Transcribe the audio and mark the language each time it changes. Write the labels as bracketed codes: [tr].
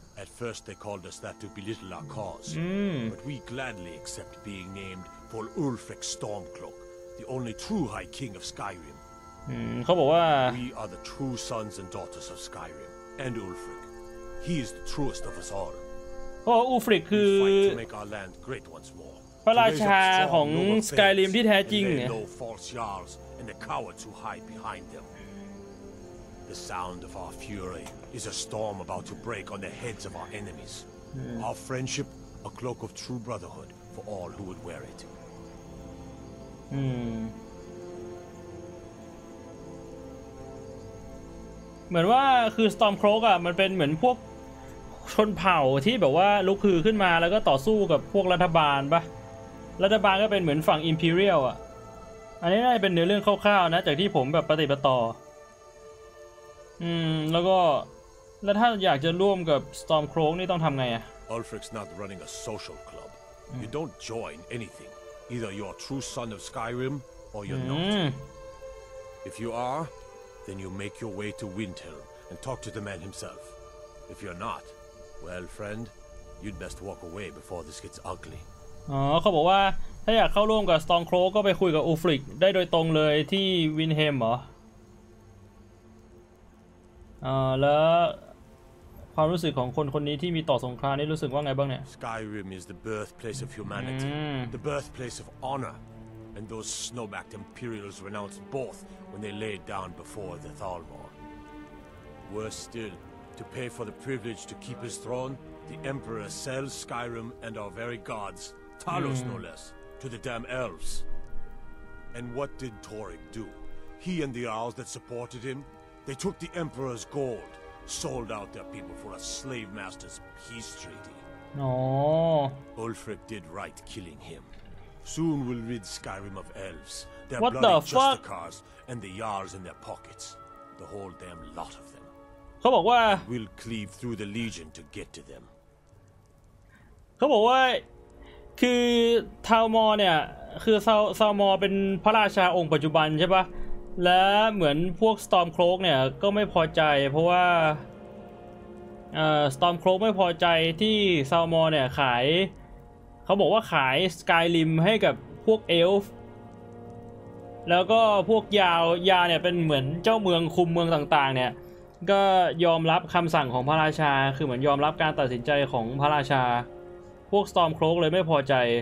[en] At first they called us that to belittle our cause but we gladly accept being named for Ulfric Stormcloak the only true High King of Skyrim [th] เขาบอกว่า [en] We are the true sons and daughters of Skyrim and Ulfric He is the truest of us all [th] Ulfric คือ [en] We fight to make our land great once more [th] พระราชาของ Skyrim ที่แท้จริงเนี่ย [en] No false jarls and the coward to hide behind themThe sound of our fury is a storm about to break on the heads of our enemies. Our friendship, a cloak of true brotherhood for all who would wear it. [th] เหมือนว่าคือ Stormcloak อ่ะมันเป็นเหมือนพวกชนเผ่าที่แบบว่าลุกฮือขึ้นมาแล้วก็ต่อสู้กับพวกรัฐบาลป่ะรัฐบาลก็เป็นเหมือนฝั่ง Imperial อ่ะอันนี้น่าจะเป็นเนื้อเรื่องคร่าวๆนะจากที่ผมแบบปฏิปตอแล้วก็แล้วถ้าอยากจะร่วมกับ Stormcloak นี่ต้องทำไงอ่ะ [en] Ulfric's not running a social club. You don't join anything. Either you're a true son of Skyrim or you're not. If you are, then you make your way to Windhelm and talk to the man himself. If you're not, well friend, you'd best walk away before this gets ugly. [th] เขาบอกว่าถ้าอยากเข้าร่วมกับ Stormcloak ก็ไปคุยกับ Ulfric ได้โดยตรงเลยที่ Windhelm เหรอแล้วความรู้สึกของคนคนนี้ที่มีต่อสงครามนี่รู้สึกว่าไงบ้างเนี่ย [en] Skyrim is the birthplace of humanity the birthplace of honor and those snowbacked imperials renounced both when they laid down before the Thalmor worse still to pay for the privilege to keep his throne the emperor sells Skyrim and our very gods Talos no less to the damn elves and what did Tauric do he and the elves that supported himThey took the emperor's gold, sold out their people for a slave master's peace treaty. No. Ulfric did right killing him. Soon we'll rid Skyrim of elves. Their What the fuck? Their bloody justicars and the jarls in their pockets. The whole damn lot of them. [th] เขาบอกว่า [en] We'll cleave through the legion to get to them. [th] เขาบอกว่าคือทาวมอร์เนี่ยคือทาวมอร์เป็นพระราชาองค์ปัจจุบันใช่ปะและเหมือนพวก Stormcloak เนี่ยก็ไม่พอใจเพราะว่า Stormcloak ไม่พอใจที่ซาวมอร์เนี่ยขายเขาบอกว่าขาย Skyrim ให้กับพวกเอลฟ์แล้วก็พวกยาเนี่ยเป็นเหมือนเจ้าเมืองคุมเมืองต่างๆเนี่ยก็ยอมรับคำสั่งของพระราชาคือเหมือนยอมรับการตัดสินใจของพระราชาพวก Stormcloak เลยไม่พอใจ